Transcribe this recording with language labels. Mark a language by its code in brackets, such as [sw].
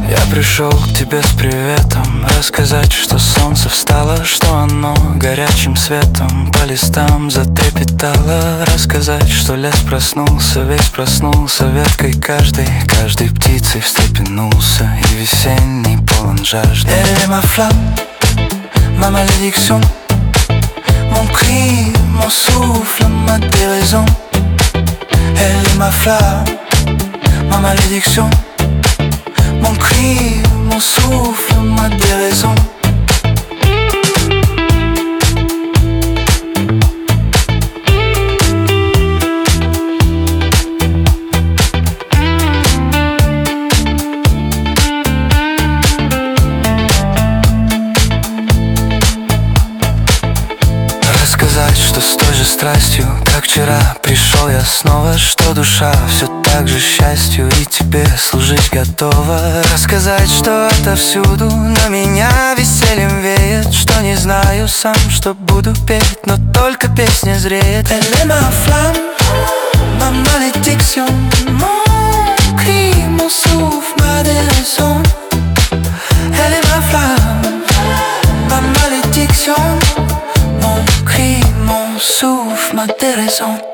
[ru] пришел к тебе с приветом, рассказать, что солнце встало, что оно горячим светом по листам затрепетало. Рассказать, что лес проснулся, весь проснулся веткой каждой, каждой птицей встрепенулся, и весенний полон жажды. [fr] Elle m'a flamme, ma malédiction, mon cri, mon souffle, ma déraison. Elle m'a flamme, ma malédiction, mon cri, mon souffle, ma déraison. [ru] Рассказать, что с той же страстью, как вчера, пришел я снова, что душа все так же счастью и тебе служить готова. Рассказать, что отовсюду на меня весельем веет, что не знаю сам, что буду петь, но только песня зреет. [fr] Elle est ma flamme, ma malédiction, mon cri, mon souffle, ma déraison. Elle est ma flamme, ma malédiction, mon cri, mon souffle, ma déraison.